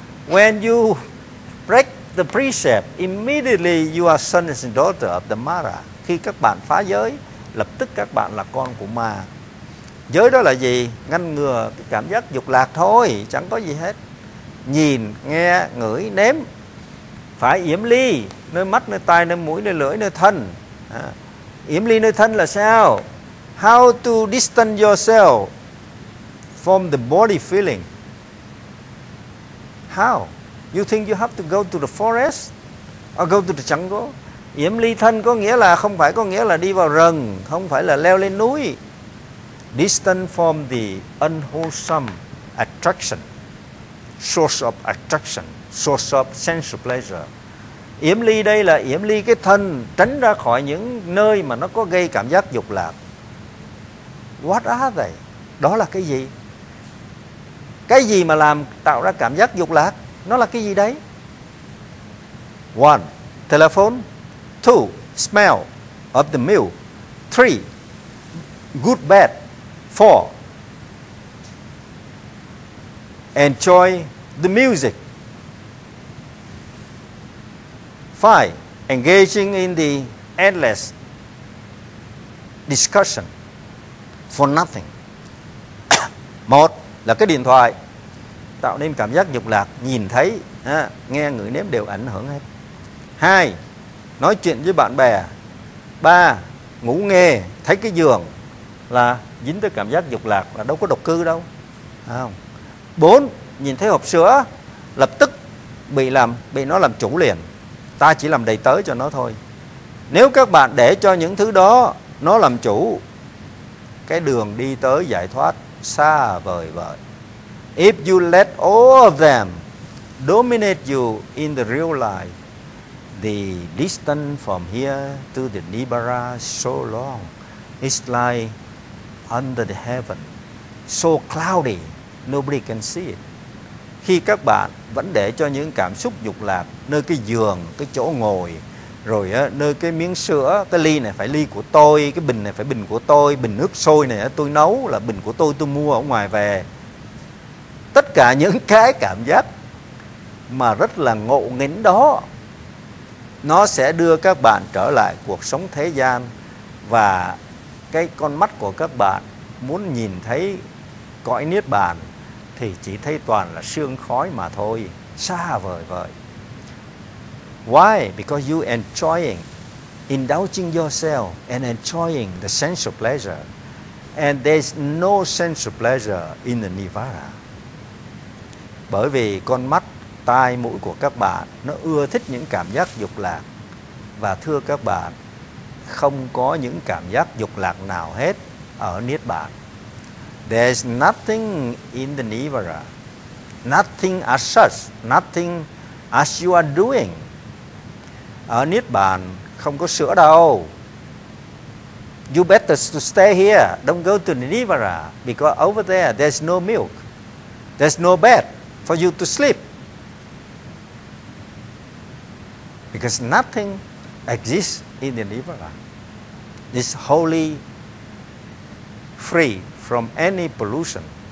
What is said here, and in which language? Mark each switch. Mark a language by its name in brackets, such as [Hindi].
[English] When you break the precept, immediately you are son and daughter of the Mara. [Vietnamese] Khi các bạn phá giới, lập tức các bạn là con của ma. Giới đó là gì? Ngăn ngừa cái cảm giác dục lạc thôi, chẳng có gì hết. Nhìn, nghe, ngửi, nếm, phải yểm ly nơi mắt, nơi tai, nơi mũi, nơi lưỡi, nơi thân. Yểm ly nơi thân là sao? [English] How to distance yourself from the body feeling? How? You think you have to go to the forest or go to the jungle? [Vietnamese] Yểm ly thân có nghĩa là không phải có nghĩa là đi vào rừng, không phải là leo lên núi. [English] Distance from the unwholesome attraction, source of attraction, source of sensual pleasure. [Vietnamese] Yểm ly đây là yểm ly cái thân, tránh ra khỏi những nơi mà nó có gây cảm giác dục lạc. [English] What are they? [Vietnamese] Đó là cái gì? Cái gì mà làm tạo ra cảm giác dục lạc? Nó là cái gì đấy? [English] One, telephone. Two, smell of the meal. Three, good bed. Four, enjoy the music. Five, engaging in the endless discussion for nothing. [Vietnamese] Một là cái điện thoại tạo nên cảm giác dục lạc, nhìn thấy, nghe, ngửi, nếm đều ảnh hưởng hết. Hai, nói chuyện với bạn bè. Ba, ngủ nghe, thấy cái giường là dính tới cảm giác dục lạc, là đâu có độc cư đâu. Bốn, nhìn thấy hộp sữa, lập tức bị nó làm chủ liền. Ta chỉ làm đầy tớ cho nó thôi. Nếu các bạn để cho những thứ đó nó làm chủ, cái đường đi tới giải thoát xa vời vời. [English] If you let all of them dominate you in the real life, the distance from here to the Nibbana so long, it's like under the heaven, so cloudy, nobody can see it. [Vietnamese] Khi các bạn vẫn để cho những cảm xúc dục lạc nơi cái giường, cái chỗ ngồi, rồi nơi cái miếng sữa, cái ly này phải ly của tôi, cái bình này phải bình của tôi, bình nước sôi này tôi nấu là bình của tôi mua ở ngoài về. Tất cả những cái cảm giác mà rất là ngộ nghĩnh đó, nó sẽ đưa các bạn trở lại cuộc sống thế gian, và cái con mắt của các bạn muốn nhìn thấy cõi niết bàn thì chỉ thấy toàn là sương khói mà thôi, xa vời vời. [English] Why? Because you enjoying, indulging yourself and enjoying the sensual pleasure, and there's no sensual pleasure in the Nirvana. [Vietnamese] Bởi vì con mắt, tai, mũi của các bạn nó ưa thích những cảm giác dục lạc, và thưa các bạn, không có những cảm giác dục lạc nào hết ở niết bàn. [English] There's nothing in the Nirvana, nothing as such, nothing as you are doing. [Vietnamese] Ở niết bàn không có sữa đâu. [English] You better to stay here, don't go to the Nirvana, because over there there's no milk, there's no bed for you to sleep. Because nothing exists in the Nirvana. It's wholly free from any pollution.